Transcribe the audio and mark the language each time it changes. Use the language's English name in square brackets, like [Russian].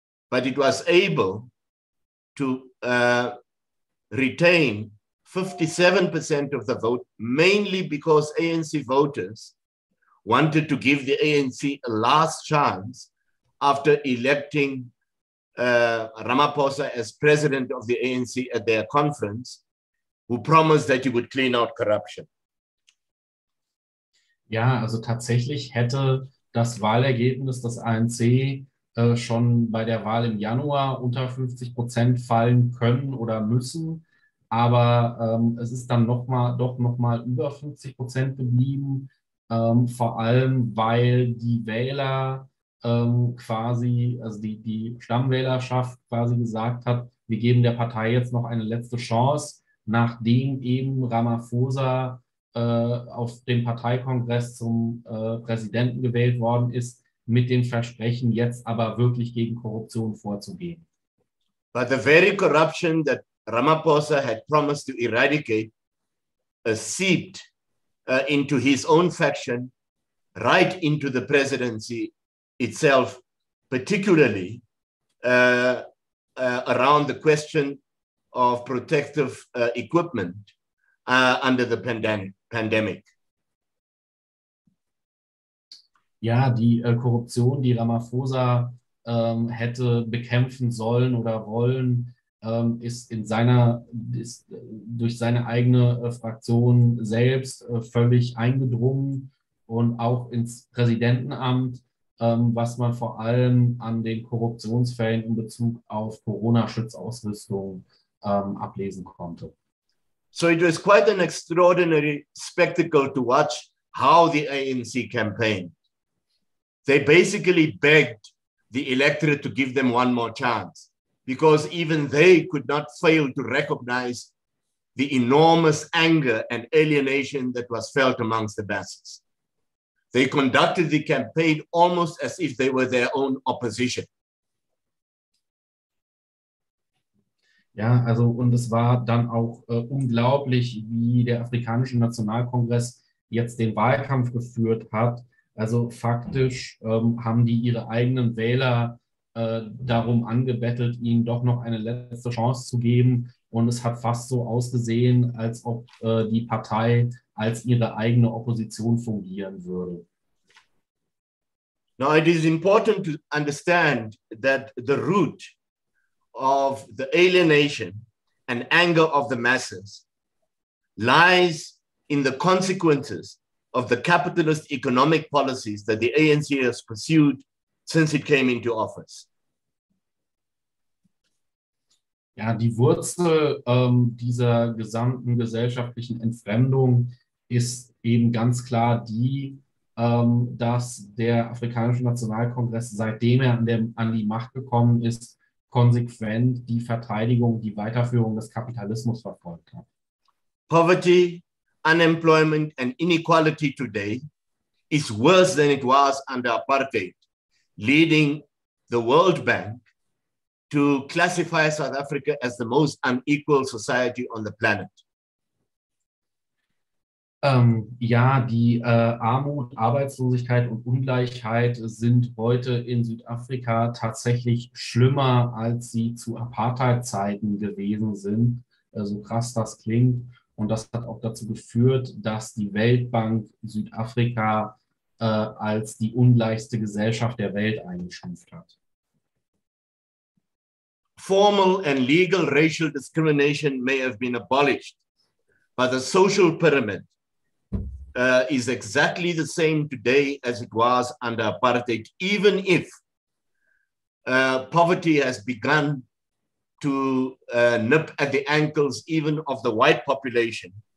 [English] But it was able to retain 57% of the vote, mainly because ANC voters wanted to give the ANC a last chance after electing Ramaphosa as president of the ANC at their conference, who promised that he would clean out corruption. [German] Ja, also tatsächlich hätte das Wahlergebnis des ANC schon bei der Wahl im Januar unter 50% fallen können oder müssen. Aber es ist dann noch mal über 50% geblieben, vor allem, weil die Wähler quasi, also die Stammwählerschaft quasi gesagt hat, wir geben der Partei jetzt noch eine letzte Chance, nachdem eben Ramaphosa auf dem Parteikongress zum Präsidenten gewählt worden ist, mit dem Versprechen, jetzt aber wirklich gegen Korruption vorzugehen. [English] But the very corruption that Ramaphosa had promised to eradicate seeped into his own faction, right into the presidency itself, particularly around the question of protective equipment under the pandemic. [German] Ja, die Korruption, die Ramaphosa hätte bekämpfen sollen oder wollen, ist durch seine eigene Fraktion selbst völlig eingedrungen und auch ins Präsidentenamt, was man vor allem an den Korruptionsfällen in Bezug auf Corona-Schutzausrüstung ablesen konnte. [English] So it was quite an extraordinary spectacle to watch how the ANC campaigned. They basically begged the electorate to give them one more chance, because even they could not fail to recognize the enormous anger and alienation that was felt amongst the masses. They conducted the campaign almost as if they were their own opposition. [German] Ja, also, und es war dann auch unglaublich, wie der Afrikanische Nationalkongress jetzt den Wahlkampf geführt hat. Also faktisch haben die ihre eigenen Wähler darum angebettelt, ihnen doch noch eine letzte Chance zu geben. Und es hat fast so ausgesehen, als ob die Partei als ihre eigene Opposition fungieren würde. [English] Now it is important to understand that the root of the alienation and anger of the masses lies in the consequences of the capitalist economic policies that the ANC has pursued since it came into office. [German] Ja, die Wurzel dieser gesamten gesellschaftlichen Entfremdung ist eben ganz klar die, dass der Afrikanische Nationalkongress, seitdem er an die Macht gekommen ist, konsequent die Verteidigung, die Weiterführung des Kapitalismus verfolgt hat. [English] Poverty, unemployment and inequality today is worse than it was under apartheid, leading the World Bank to classify South Africa as the most unequal society on the planet. [German] Ja, die Armut, Arbeitslosigkeit und Ungleichheit sind heute in Südafrika tatsächlich schlimmer, als sie zu Apartheid-Zeiten gewesen sind, so krass das klingt. Und das hat auch dazu geführt, dass die Weltbank Südafrika als die ungleichste Gesellschaft der Welt eingestuft hat. [English] Formal and legal racial discrimination may have been abolished, but the social pyramid is exactly the same today as it was under apartheid, even if poverty has begun to nip at the ankles even of the white population.